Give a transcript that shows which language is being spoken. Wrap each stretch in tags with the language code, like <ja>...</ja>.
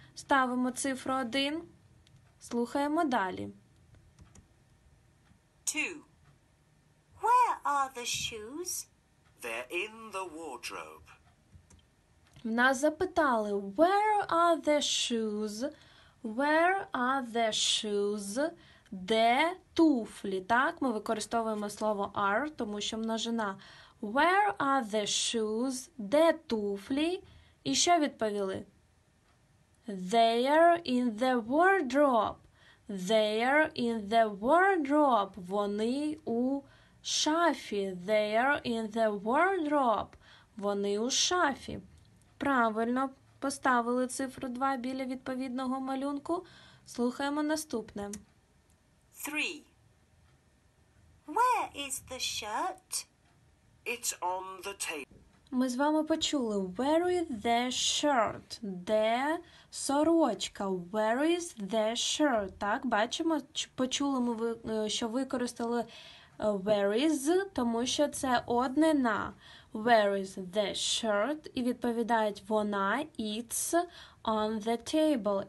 <uk>Ставимо цифру 1. Слухаємо далі. 2.</uk> <en>Where are the shoes? They're in the wardrobe.</en> <uk>В нас запитали,</uk> <en>where are the shoes? Where are the shoes?</en> <uk>Де туфлі? Так, ми використовуємо слово are, тому що множина.</uk> <en>Where are the shoes?</en> <uk>Де туфлі? І що відповіли?</uk> <en>They're in the wardrobe. They're in the wardrobe.</en> <uk>Вони у шафі.</uk> <en>They're in the wardrobe.</en> <uk>Вони у шафі. Правильно поставили цифру 2 біля відповідного малюнку. Слухаємо наступне.</uk> <en>3. Where is the shirt? It's on the table.</en> <uk>Ми з вами почули</uk> <en>where is the shirt?</en> <uk>Де сорочка?</uk> <en>Where is the shirt?</en> <uk>Так, бачимо, почули ми, що використали where is, тому що це одне на.</uk> <en>Where is the shirt?</en> <uk>І відповідають вона,</uk> <en>it's on the table.</en>